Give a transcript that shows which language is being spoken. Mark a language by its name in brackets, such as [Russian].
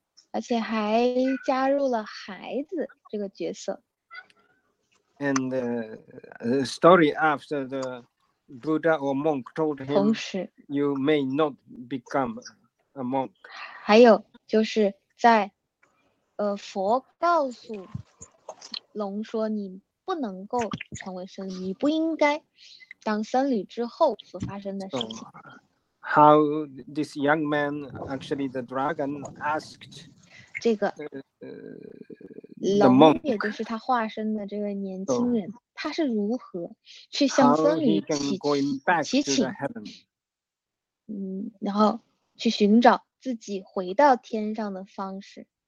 [Chinese] 而且还加入了孩子这个角色。 [English] And the story after the Buddha or monk told him, [Chinese] 同时 [English] you may not become a monk. [Chinese] 还有就是在，佛告诉。龙说你不能够成为僧侣，你不应该当僧侣之后所发生的事情。 [English] How this young man, actually the dragon, asked [Chinese] 这个龙，也就是他化身的这位年轻人，他是如何去向僧侣祈请，然后去寻找自己回到天上的方式。